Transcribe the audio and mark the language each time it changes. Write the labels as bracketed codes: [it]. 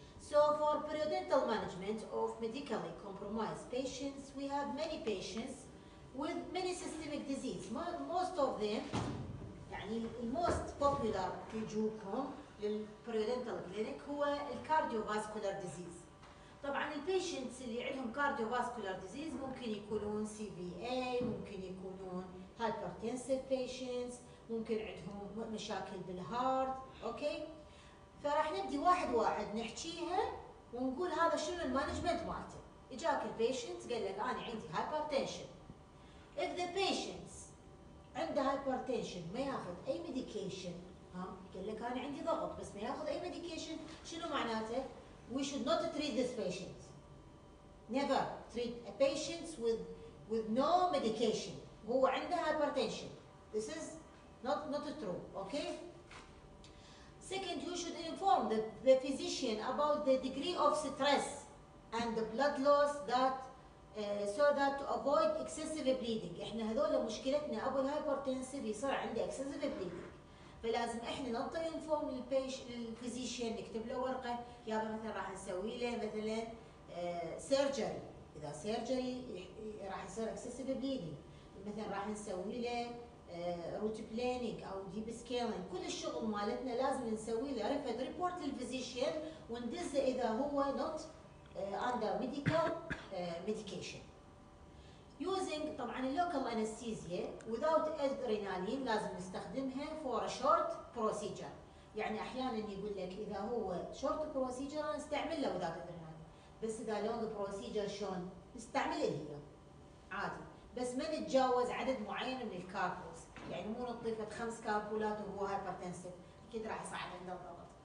[en] So for periodontal management of medically compromised patients, we have many patients with many systemic disease. Most of them, يعني the most popular يجوكم للperiodontal clinic هو the cardiovascular disease. [ar] طبعا البيشنتس اللي عندهم كارديو فاسكولار ديزيز ممكن يكونون سي في اي، ممكن يكونون هايبرتنسيف بيشنتس، ممكن عندهم مشاكل بالهارت، اوكي؟ فراح نبدي واحد واحد نحكيها ونقول هذا شنو المانجمنت مالته. اجاك البيشنت قال لك انا عندي هايبرتنشن. اف ذا بيشنتس عنده هايبرتنشن ما ياخذ اي ميديكيشن، ها؟ قال لك انا عندي ضغط بس ما ياخذ اي ميديكيشن، شنو معناته؟ [en] We should not treat this patient. Never treat a patient with no medication. [ar] هو عنده hypertension. [en] This is not true. Okay. Second, you should inform the physician about the degree of stress and the blood loss that so that to avoid excessive bleeding. [ar] إحنا هذول مشكلتنا أبو hypertension يصير عنده excessive bleeding. فلازم احنا نطي انفورم للفيزيشن، نكتب له ورقه يابا مثلا راح نسوي له مثلا سيرجري، اذا سيرجري راح يصير اكسسيف بليدنج، مثلا راح نسوي له روت بلانينج او ديب سكيلينج، كل الشغل مالتنا لازم نسوي له ريفيد ريبورت للفيزيشن وندزه اذا هو نوت اندر ميديكال ميديكيشن. [en] Using طبعاً local anesthesia without adrenaline [ar] لازم نستخدمها [en] for a short procedure. [ar] يعني أحياناً يقول لك إذا هو short procedure نستعمله without adrenaline. بس إذا long procedure شلون نستعمله هي عادي. بس ما نتجاوز عدد معين من الكاربولز. يعني مو نضيفة خمس كاربولات وهو هايبرتنسيف. أكيد راح يصعد عنده الضغط.